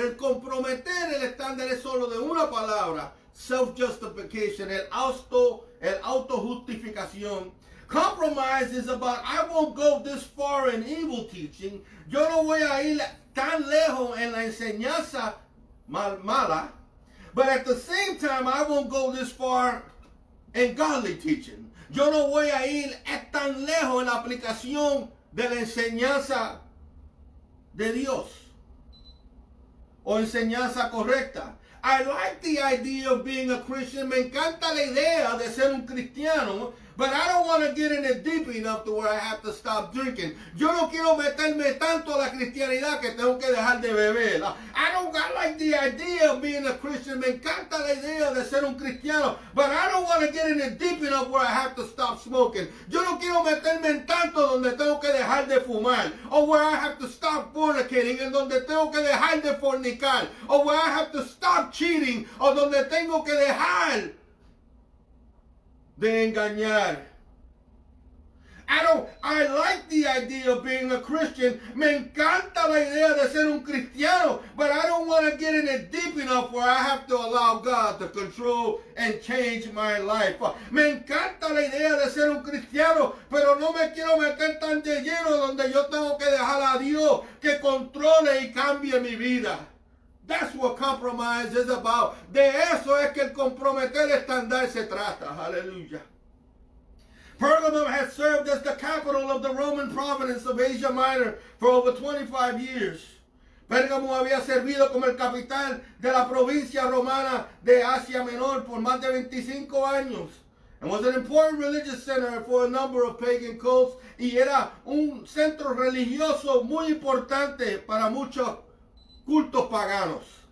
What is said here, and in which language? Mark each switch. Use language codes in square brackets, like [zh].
[es] El comprometer el estándar es solo de una palabra. [en] Self-justification. [es] El auto-justificación. [en] Compromise is about I won't go this far in evil teaching. [es] Yo no voy a ir tan lejos en la enseñanza mala, [en] but at the same time, I won't go this far in godly teaching. [es] Yo no voy a ir tan lejos en la aplicación de la enseñanza de Dios o enseñanza correcta. [en] I like the idea of being a Christian. [es] Me encanta la idea de ser un cristiano, [en] but I don't want to get in it deep enough to where I have to stop drinking. [es] Yo no quiero meterme tanto a la cristianidad que tengo que dejar de beber. [en] I like the idea of being a Christian. [es] Me encanta la idea de ser un cristiano. [en] But I don't want to get in it deep enough where I have to stop smoking. [es] Yo no quiero meterme en tanto donde tengo que dejar de fumar. [en] Or where I have to stop fornicating. [es] En donde tengo que dejar de fornicar. [en] Or where I have to stop cheating. [es] O donde tengo que dejar de engañar. [en] I like the idea of being a Christian. [es] Me encanta la idea de ser un cristiano. [en] But I don't want to get in it deep enough where I have to allow God to control and change my life. [es] Me encanta la idea de ser un cristiano. Pero no me quiero meter tan de lleno donde yo tengo que dejar a Dios que controle y cambie mi vida. [en] That's what compromise is about. [es] De eso es que el comprometer estándar se trata. [en] Hallelujah. Pergamum has served as the capital of the Roman province of Asia Minor for over 25 years. [es] Pergamum había servido como el capital de la provincia romana de Asia Menor por más de 25 años. [en] And was an important religious center for a number of pagan cults. [es] Y era un centro religioso muy importante para muchos cultos paganos.